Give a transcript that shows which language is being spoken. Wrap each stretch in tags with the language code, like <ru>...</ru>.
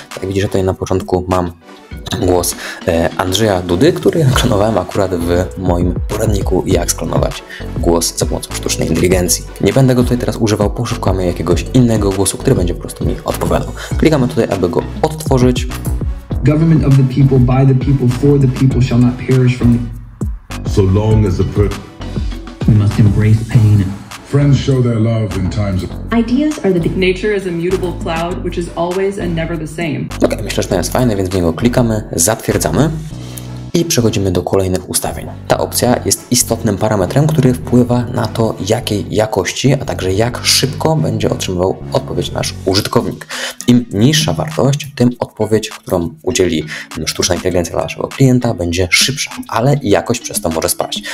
<pl>Jak widzisz, tutaj na początku mam głos Andrzeja Dudy, który klonowałem akurat w moim poradniku, jak sklonować głos za pomocą sztucznej inteligencji. Nie będę go tutaj teraz używał, poszukamy jakiegoś innego głosu, który będzie po prostu mi odpowiadał. Klikamy tutaj, aby go odtworzyć.</pl> <en>Government of the people, by the people, for the people shall not perish from the... So long as the per... We must embrace pain. Friends show their love in times of... Ideas are the... Nature is a mutable cloud, which is always and never the same.</en> <pl>Okay, myślę, że to jest fajne, więc w niego klikamy, zatwierdzamy i przechodzimy do kolejnych ustawień. Ta opcja jest istotnym parametrem, który wpływa na to, jakiej jakości, a także jak szybko będzie otrzymywał odpowiedź nasz użytkownik. Im niższa wartość, tym odpowiedź, którą udzieli sztuczna inteligencja dla naszego klienta, będzie szybsza, ale jakość przez to może spaść.</pl>